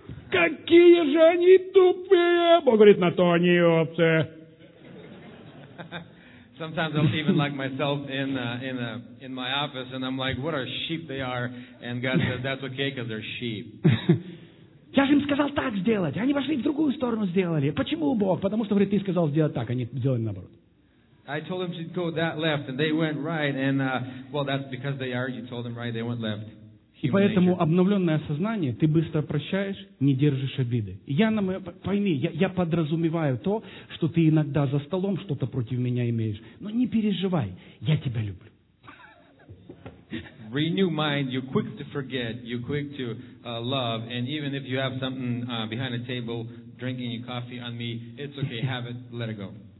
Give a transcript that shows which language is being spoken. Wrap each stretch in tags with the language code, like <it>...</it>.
<ru>Какие же они тупые! Бог говорит, на то они овцы.</ru> <en>Sometimes I'll even like myself in my office, and I'm like, what a sheep they are. And God says, that's okay, because they're sheep.</en> <ru>Я же им сказал так сделать. Они пошли в другую сторону сделали. Почему, Бог? Потому что, говорит, ты сказал сделать так, они сделали наоборот.</ru> <en>I told them to go that left, and they went right. And, well, that's because they are. You told them right, they went left.</en> <ru>И поэтому обновленное сознание, ты быстро прощаешь, не держишь обиды. Я подразумеваю то, что ты иногда за столом что-то против меня имеешь. Но не переживай, я тебя люблю.</ru> <en>Renew mind, you're quick to forget, you're quick to love. And even if you have something behind the table, drinking your coffee on me, it's okay, have it, let it go.</en>